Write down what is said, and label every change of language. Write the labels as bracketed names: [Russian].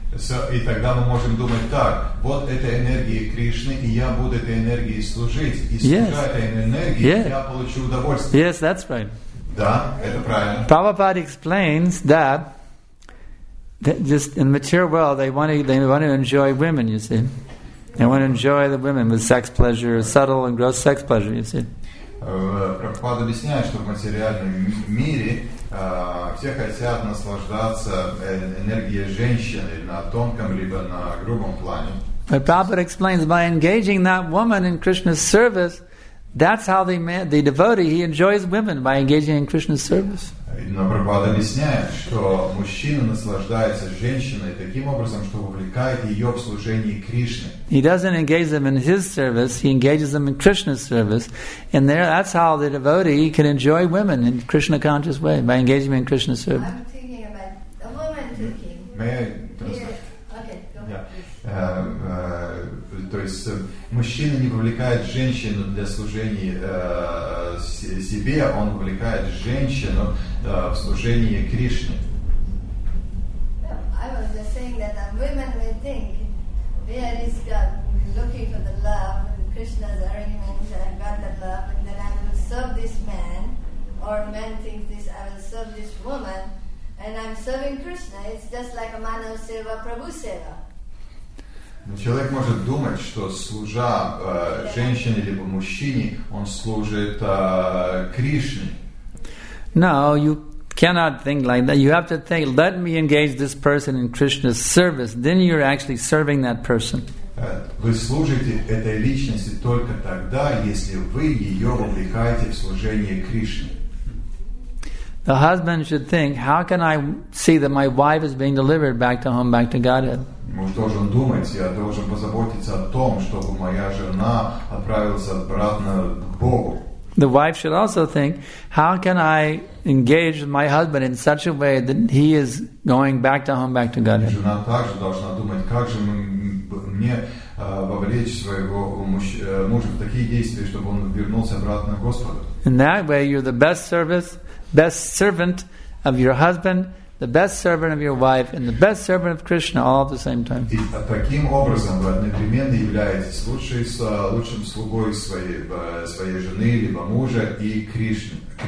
[English] And by serving him, I'll get the pleasure. Yes, that's right. [Russian] Да, это правильно. [English] Prabhupada explains that just in the material world they want to enjoy women, you see. They want to enjoy the women with sex pleasure, subtle and gross sex pleasure, you see. [Russian] Прабхупада объясняет, что в материальном мире все хотят наслаждаться энергией женщины на тонком либо на грубом плане. [English] But Prabhupada explains by engaging that woman in Krishna's service, that's how the devotee, he enjoys women by engaging in Krishna's service. [Russian] Но Прабхупада объясняет, что мужчина наслаждается женщиной таким образом, что увлекает ее в служении Кришне. [English] He doesn't engage them in his service, he engages them in Krishna's service. And there, that's how the devotee he can enjoy women in Krishna conscious way, by engaging them in Krishna's service. I'm thinking about the woman thinking. May I? Okay, go ahead. [Russian] То есть мужчина не вовлекает женщину для служения себе, он вовлекает женщину в служение Кришне. [English] I was just saying that women may think, there is God looking for the love and Krishna's arrangement, I got the love and then I will serve this man, or men think this, I will serve this woman and I'm serving Krishna. It's just like a mano seva prabhu seva. [Russian] Но человек может думать, что служа женщине либо мужчине, он служит Кришне. [English] No, you cannot think like that. You have to think, let me engage this person in Krishna's service. Then you're actually serving that person. [Russian] Вы служите этой личности только тогда, если вы ее вовлекаете в служение Кришне. [English] The husband should think, how can I see that my wife is being delivered back to home, back to Godhead? [Russian] Муж должен думать, я должен позаботиться о том, чтобы моя жена отправилась обратно к Богу. [English] The wife should also think, how can I engage my husband in such a way that he is going back to home, back to Godhead? [Russian] Жена также должна думать, как же мне вовлечь своего мужа в такие действия, чтобы он вернулся обратно к Господу. [English] In that way, you're the best servant of your husband, the best servant of your wife and the best servant of Krishna all at the same time. [Russian] И таким образом вы одновременно являетесь лучшим слугой своей жены либо мужа и Кришны.